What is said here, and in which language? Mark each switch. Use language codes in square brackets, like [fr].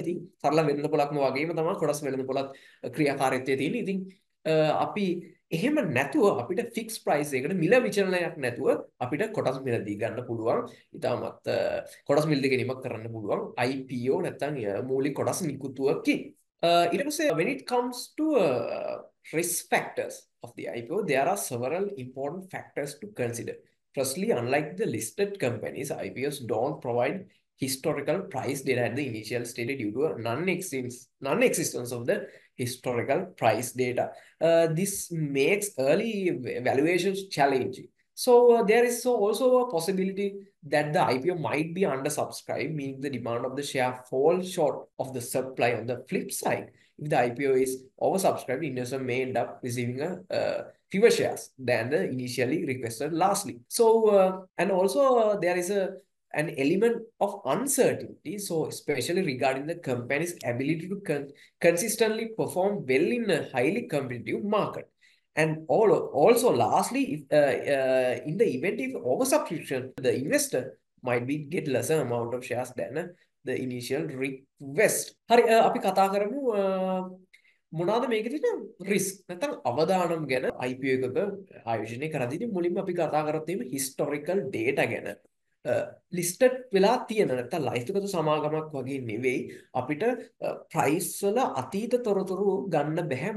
[si] ඉතින් සරල වෙළඳපොලක්ම වගේම තමයි කොටස් වෙළඳපොලත් ක්‍රියාකාරීත්වයේ තියෙන්නේ. ඉතින් අපි එහෙම නැතුව අපිට ෆික්ස් ප්‍රයිස් එකකට මිල විචලනයක් නැතුව අපිට කොටස් මිල දී ගන්න පුළුවන්. ඉතමත් කොටස් මිල දී ගැනීමක් කරන්න පුළුවන් IPO නැත්නම් මූලික කොටස් නිකුත්වකි. [en] It was when it comes to risk factors of the IPO, there are several important factors to consider. Firstly, unlike the listed companies, IPOs don't provide historical price data at the initial stage due to non-existence of the historical price data. This makes early valuations challenging. So there is also a possibility that the IPO might be undersubscribed, meaning the demand of the share falls short of the supply. On the flip side, if the IPO is oversubscribed, investors may end up receiving fewer shares than the initially requested. Lastly, there is an element of uncertainty, so especially regarding the company's ability to consistently perform well in a highly competitive market. And also lastly, in the event of oversubscription, the investor might be get lesser amount of shares than the initial request. [si] හරි අපි කතා කරමු මොනවාද මේකේ තියෙන risk නැත්නම් අවදානම් ගැන. IPO එකක ආයෝජනය කරද්දී මුලින්ම අපි කතා කරත් මේ historical data ගැන. ලිස්ටඩ් වෙලා තියෙන නැත්නම් ලයිස්තුගත සමාගමක් වගේ නෙවෙයි අපිට ප්‍රයිස් වල අතීත තොරතුරු ගන්න බෑ.